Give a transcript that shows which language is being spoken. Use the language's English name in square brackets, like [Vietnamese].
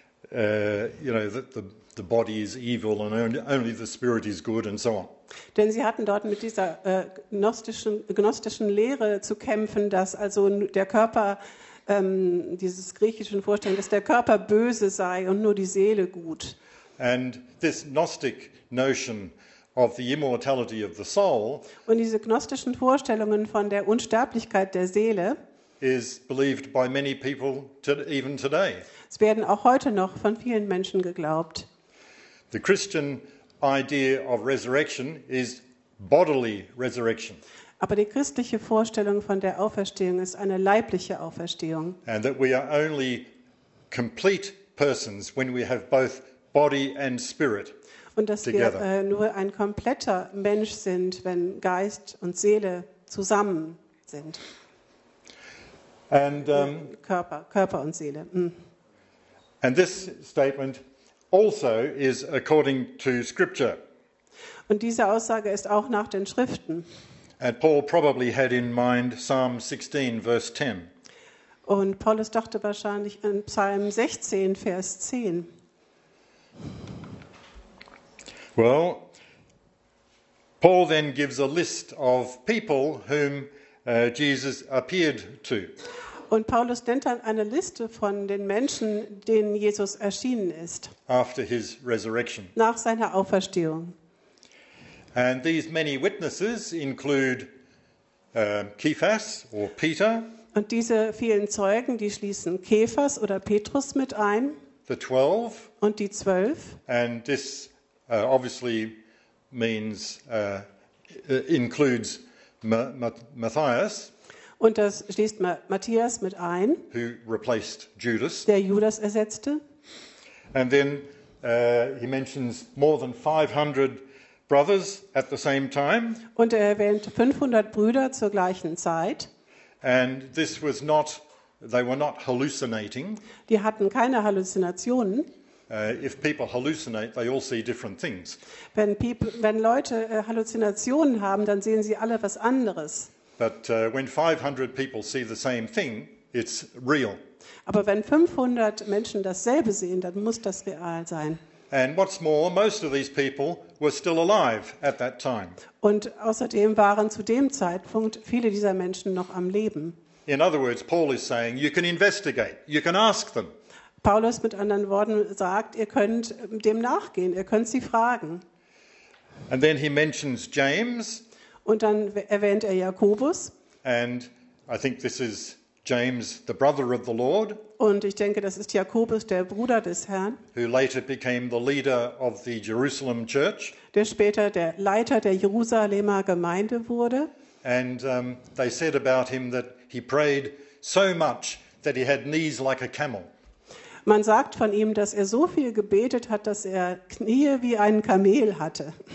[English] the body is evil and only the spirit is good and so on. [German] Denn sie hatten dort mit dieser gnostischen Lehre zu kämpfen, dass also der Körper, dieses griechischen Vorstellen, dass der Körper böse sei und nur die Seele gut. [English] And this Gnostic notion of the immortality of the soul, [German] und diese gnostischen Vorstellungen von der Unsterblichkeit der Seele, [English] is believed by many people even today. [German] Es werden auch heute noch von vielen Menschen geglaubt. [English] The Christian idea of resurrection is bodily resurrection. [German] Aber die christliche Vorstellung von der Auferstehung ist eine leibliche Auferstehung. [English] And that we are only complete persons when we have both body and spirit. [German] Und dass [English] together. [German] Wir nur ein kompletter Mensch sind, wenn Geist und Seele zusammen sind. [English] And [German] Körper und Seele. [English] And this statement also is according to scripture. [German] Und diese Aussage ist auch nach den Schriften. [English] And Paul probably had in mind Psalm 16 verse 10. [German] Und Paulus dachte wahrscheinlich an Psalm 16 Vers 10. [English] Well, Paul then gives a list of people whom Jesus appeared to. [German] Und Paulus nennt dann eine Liste von den Menschen, denen Jesus erschienen ist. [English] After his resurrection. [German] Nach seiner Auferstehung. [English] And these many witnesses include Kephas or Peter. [German] Und diese vielen Zeugen, die schließen Kephas oder Petrus mit ein. [English] The 12. [German] Und die 12. [English] And this obviously means includes Matthias. [German] Und das schließt Matthias mit ein. [English] Who replaced Judas. [German] Der Judas ersetzte. [English] And then he mentions more than 500 brothers at the same time. [German] Und er erwähnt 500 Brüder zur gleichen Zeit. [English] And this was not, they were not hallucinating. [German] Die hatten keine Halluzinationen. [English] If people hallucinate, they all see different things. [German] Wenn Leute Halluzinationen haben, dann sehen sie alle was anderes. [English] But when 500 people see the same thing, it's real. [German] Aber wenn 500 Menschen dasselbe sehen, dann muss das real sein. [English] And what's more, most of these people were still alive at that time. [German] Und außerdem waren zu dem Zeitpunkt viele dieser Menschen noch am Leben. [English] In other words, Paul is saying, you can investigate, you can ask them. [German] Paulus mit anderen Worten sagt, ihr könnt dem nachgehen, ihr könnt sie fragen. [English] And then he mentions James. [German] Und dann erwähnt er Jakobus. [English] And I think this is James, the brother of the Lord. [German] Und ich denke, das ist Jakobus, der Bruder des Herrn. [English] Who later became the leader of the Jerusalem church. [German] Der später der Leiter der Jerusalemer Gemeinde wurde. [English] And they said about him that he prayed so much that he had knees like a camel. [German] Man sagt von ihm, dass er so viel gebetet hat, dass er Knie wie einen Kamel hatte.